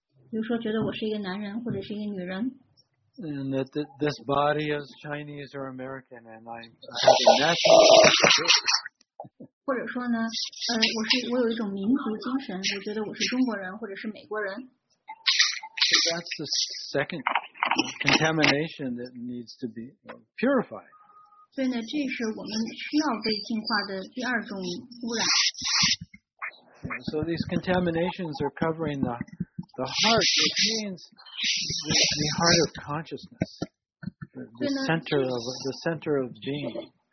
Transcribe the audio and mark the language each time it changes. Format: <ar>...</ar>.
<zh>比如说，觉得我是一个男人或者是一个女人。</zh> <en>And that this body is Chinese or American, and I have a national.</en> <zh>或者说呢，我有一种民族精神，我觉得我是中国人或者是美国人。</zh> <en>That's the second contamination that needs to be purified.</en> <zh>所以呢，这是我们需要被净化的第二种污染。</zh> <en>So these contaminations are covering the heart, which means the heart of consciousness, the center of being.</en>